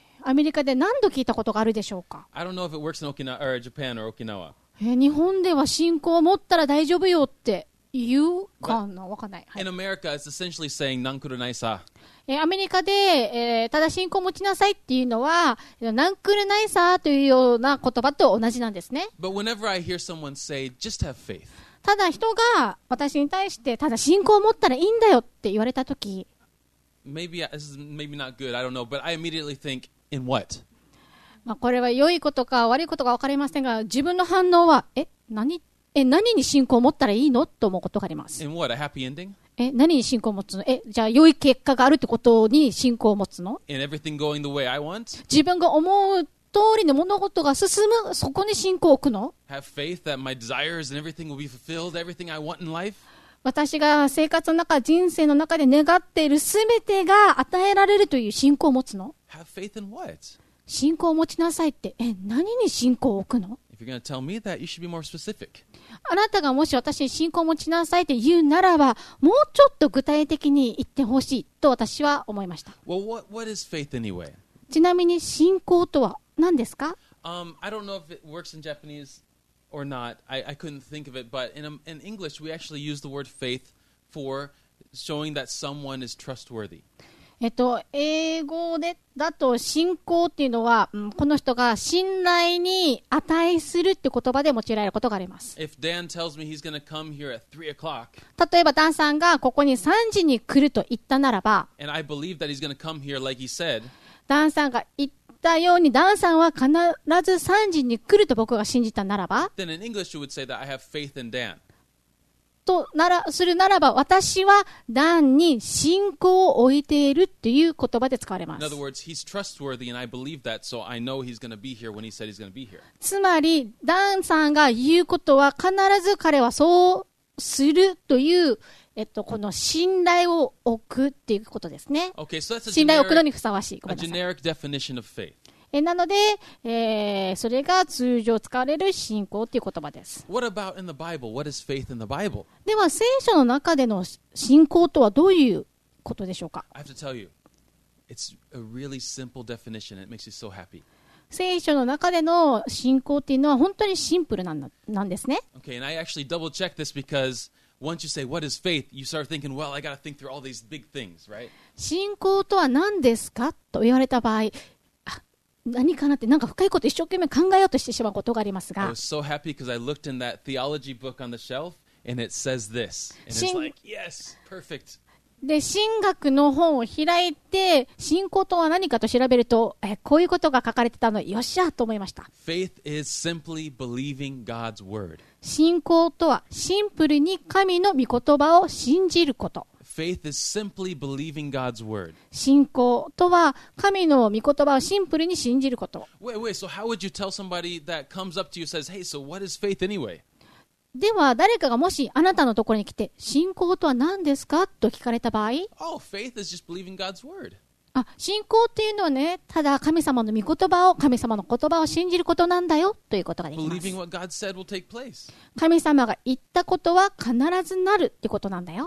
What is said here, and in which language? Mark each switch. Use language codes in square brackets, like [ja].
[ja] アメリカで何度聞いたことがあるでしょうか。 [en] I don't know if it works in Okinawa or Japan or Okinawa. [ja] 日本では信仰を持ったら大丈夫よって言うかな、わかんない、はい、 [en] In America, it's essentially saying, なんくるないさ。 [ja] アメリカで、ただ信仰を持ちなさいっていうのは、なんくるないさというような言葉と同じなんですね。 [en] But whenever I hear someone say, just have faith. [ja] ただ人が私に対して、ただ信仰を持ったらいいんだよって言われたとき。 [en] Maybe this is maybe not good, I don't know, but I immediately think, in what? [ja] まあ、これは良いことか悪いことか分かりませんが、自分の反応は、何に信仰を持ったらいいのと思うことがあります。 [en] In what? A happy ending? [ja] 何に信仰を持つの。じゃあ良い結果があるってことに信仰を持つの。 [en] In everything going the way I want? [ja] 自分が思う通りの物事が進む、そこに信仰を置くの。 [en] Have faith that my desires and everything will be fulfilled, everything I want in life? [ja] 私が生活の中、人生の中で願っている全てが与えられるという信仰を持つの。 [en] Have faith in what? [ja] 信仰を持ちなさいって、何に信仰を置くの。 [en] If you're going to tell me that, you should be more specific. [ja] あなたがもし私に信仰を持ちなさいって言うならば、もうちょっと具体的に言ってほしいと私は思いました。 [en] Well, what is faith anyway? [ja] ちなみに信仰とは何ですか？ [en] I don't know if it works in Japanese or not. I couldn't think of it. But in English, we actually use the word faith for showing that someone is trustworthy. [ja] 英語でだと信仰っていうのは、この人が信頼に値するって言葉で用いられることがあります。 [en] If Dan tells me he's gonna come here at 3 o'clock, [ja] 例えばダンさんがここに3時に来ると言ったならば、 [en] And I believe that he's gonna come here like he said, [ja] ダンさんが言ったようにダンさんは必ず3時に来ると僕が信じたならば、 [en] Then in English you would say that I have faith in Dan. [ja] するならば、私はダンに信仰を置いているっていう言葉で使われます。 [en] In other words, he's trustworthy and I believe that, so I know he's going to be here when he said he's going to be here. [ja] つまり、ダンさんが言うことは必ず彼はそうするという、この信頼を置くっていうことですね。 [en] Okay, so、that's a [ja] 信頼を置くのにふさわしい。 [en] A generic definition of faith. [ja] なので、それが通常使われる信仰という言葉です。 [en] What about in the Bible? What is faith in the Bible? [ja] では、聖書の中での信仰とはどういうことでしょうか？ [en] I have to tell you, it's a really simple definition. It makes you so happy. [ja] 聖書の中での信仰っていうのは本当にシンプルなんですね。 [en] Okay, and I actually double check this because once you say what is faith, you start thinking, well, I got to think through all these big things, right? [ja] 信仰とは何ですかと言われた場合、あ、何かなってなんか深いこと一生懸命考えようとしてしまうことがありますが。 [en] I was so happy because I looked in that theology book on the shelf and it says this, and it's like, yes, perfect. [ja] で神学の本を開いて信仰とは何かと調べるとえこういうことが書かれてたのよっしゃと思いました。 [en] Faith is simply believing God's word. [ja] 信仰とはシンプルに神の御言葉を信じること。 [en] Faith is simply believing God's word. [ja] 信仰とは神の御言葉をシンプルに信じること。 [en] Wait, wait, so how would you tell somebody that comes up to you and says, hey, so what is faith anyway? [ja] では誰かがもしあなたのところに来て信仰とは何ですかと聞かれた場合、 [en] oh, faith is just believing God's word. [ja] あ、信仰っていうのはねただ神様の御言葉を神様の言葉を信じることなんだよということができます。 [en] Believing what God said will take place. [ja] 神様が言ったことは必ずなるってことなんだよ。